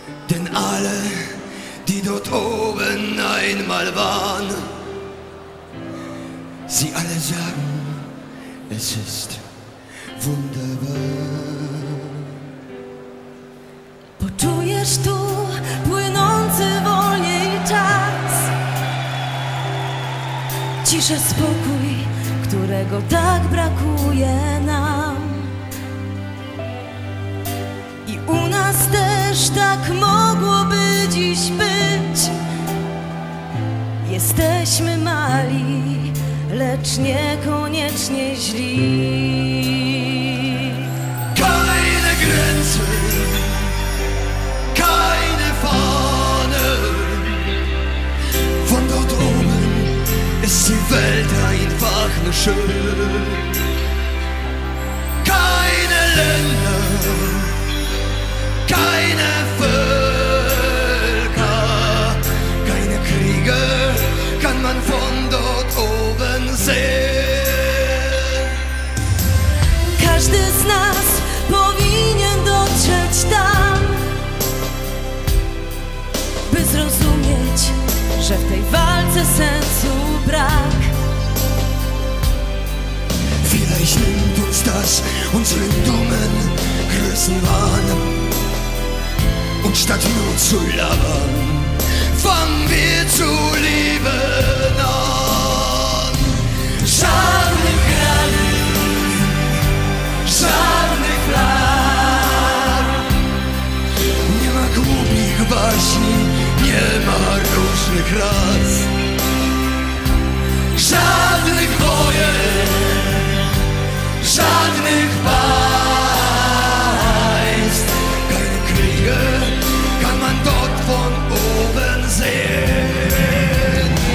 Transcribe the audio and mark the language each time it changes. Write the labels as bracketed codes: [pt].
[de] Denn alle, die dort oben einmal waren, sie alle sagen, es ist wunderbar. [pl] Poczujesz tu płynący wolniej czas, ciszę, spokój, którego tak brakuje nam. I u nas też tak mogłoby dziś być. Jesteśmy mali, lecz niekoniecznie źli. [de] Keine Grenzen, keine Fahne. Von dort oben ist die Welt ein. Keine Länder, keine Völker, keine Kriege kann man von dort oben sehen. [pl] Każdy z nas powinien dotrzeć tam, by zrozumieć, że w tej walce sensu brak. [de] Vielleicht nimmt uns das unseren dummen Größenwahn. und statt nur zu labern, fangen wir zu lieben an. Schaden im Kranz, Schaden im Flach. [pl] Nie ma głupich baśni, nie ma różnych rad. Żadnych wojen, żadnych państw. [de] Keine Kriege kann man dort von oben sehen.